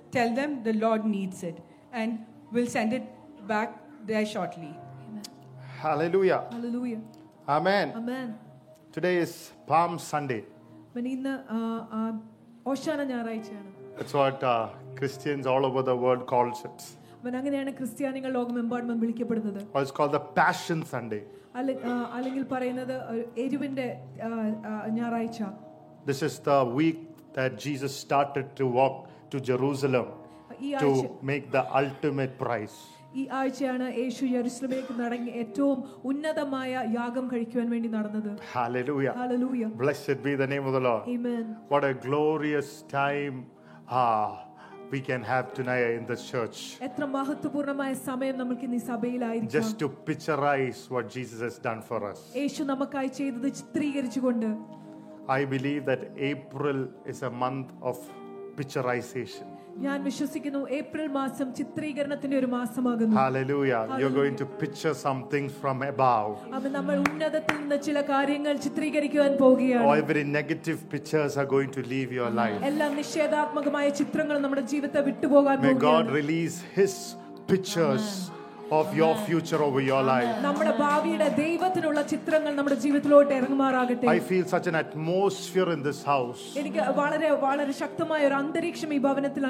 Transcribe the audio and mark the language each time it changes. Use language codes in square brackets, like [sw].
[en] Tell them the Lord needs it, and we'll send it back there shortly. Amen. Hallelujah. Hallelujah. Amen. Amen. Today is Palm Sunday. That's what Christians all over the world calls it. [ml] അങ്ങനെയാണ് ക്രിസ്ത്യാനികൾ ലോകമെമ്പാടും വിളിക്കപ്പെടുന്നത്. [en] It's called the Passion Sunday. [ml] അല്ലെങ്കിൽ പറയുന്നത് എരിവിന്റെ ഞായറാഴ്ച. [en] This is the week that Jesus started to walk to Jerusalem to make the ultimate price. [ml] ഈ ആഴ്ചയാണ് യേശു യെരുശലേമിലേക്ക് നടങ്ങി ഏറ്റവും ഉന്നതമായ യാഗം കഴിക്കുവാൻ വേണ്ടി നടന്നത്. [en] Hallelujah. Hallelujah. Blessed be the name of the Lord. Amen. What a glorious time we can have tonight in the church. [ml] എത്ര മഹത്വപൂർണമായ സമയം നമുക്ക് ഈ സഭയിൽ ആയിരിക്കാം. [en] Just to picturize what Jesus has done for us. [ml] യേശു നമുക്കായി ചെയ്തത് ചിത്രീകരിച്ചുകൊണ്ട്. [en] I believe that April is a month of picturization. [ml] ഞാൻ വിശ്വസിക്കുന്നു ഏപ്രിൽ മാസം ചിത്രീകരണത്തിന്റെ ഒരു മാസമാകുന്നു. [en] Hallelujah. You're going to picture some things from above. [ml] അപ്പോൾ നമ്മൾ ഉന്നതത്തിൽ നിന്ന് ചില കാര്യങ്ങൾ ചിത്രീകരിക്കാൻ പോവുകയാണ്. [en] All very negative pictures are going to leave your life. [ml] എല്ലാ നിഷേധാത്മകമായ ചിത്രങ്ങളും നമ്മുടെ ജീവിതത്തെ വിട്ടുപോകാൻ പോവുകയാണ്. [en] May God release his pictures of your future over your life. [ml] നമ്മുടെ ഭാവിയുടെ ദൈവത്തിനുള്ള ചിത്രങ്ങൾ നമ്മുടെ ജീവിതത്തിലോട്ട് ഇറങ്ങുമാറാകട്ടെ. [en] I feel such an atmosphere in this house. [ml] എനിക്ക് വളരെ വളരെ ശക്തമായ ഒരു അന്തരീക്ഷം ഈ ഭവനത്തിൽ